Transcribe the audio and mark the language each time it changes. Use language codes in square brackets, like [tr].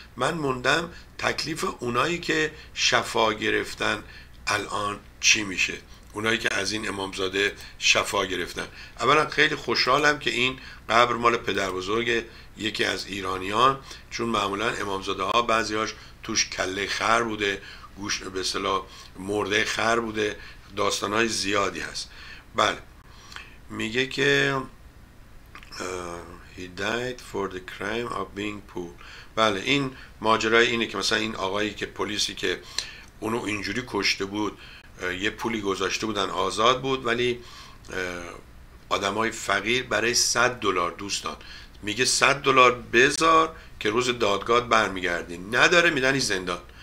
[fa] من موندم تکلیف اونایی که شفا گرفتن الان چی میشه، اونایی که از این امامزاده شفا گرفتن. اولا خیلی خوشحالم که این قبر مال پدر بزرگ یکی از ایرانیان، چون معمولا امامزاده ها بعضی هاش توش کله خر بوده، گوش به اصطلاح مرده خر بوده، داستان های زیادی هست. بله میگه که [en] he died for the crime of being poor. [fa] بله این ماجرای اینه که مثلا این آقایی که پلیسی که اونو اینجوری کشته بود یه پولی گذاشته بودن آزاد بود، ولی آدمای فقیر برای 100 دلار دوستان میگه 100 دلار بذار که روز دادگاه برمیگردی، نداره میدنی زندان.